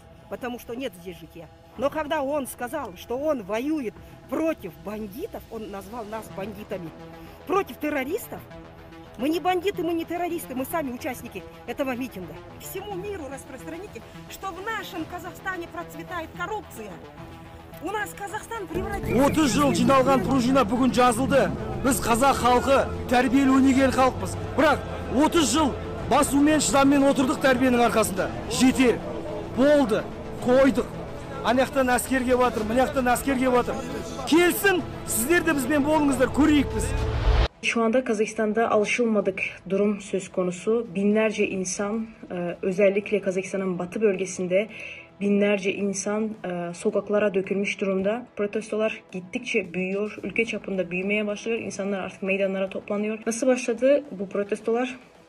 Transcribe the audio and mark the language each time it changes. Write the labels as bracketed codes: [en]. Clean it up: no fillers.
[ru] Потому что нет здесь жития. Но когда он сказал, что он воюет против бандитов, он назвал нас бандитами, против террористов. Мы не бандиты, мы не террористы, мы сами участники этого митинга. Всему миру распространите, что в нашем Казахстане процветает коррупция. У нас Казахстан превратился. [kk] 30 жыл жиналған пружина бүгін жазылды. Біз қазақ халқы, тәрбиелі өнегелі халықпыз. Бірақ 30 жыл басумен, шыдаммен отырдық тәрбиенің арқасында. Жетер. Болды. Қойдық. Анақтан әскерге батыр, мынақтан әскерге батыр. Келсін, сіздер де бізбен болыңыздар, көрейік біз. [tr] Şu anda Kazakistan'da alışılmadık durum söz konusu. Binlerce insan, özellikle Kazakistan'ın batı bölgesinde binlerce insan sokaklara dökülmüş durumda. Protestolar gittikçe büyüyor, ülke çapında büyümeye başlıyor. İnsanlar artık meydanlara toplanıyor. Nasıl başladı bu protestolar?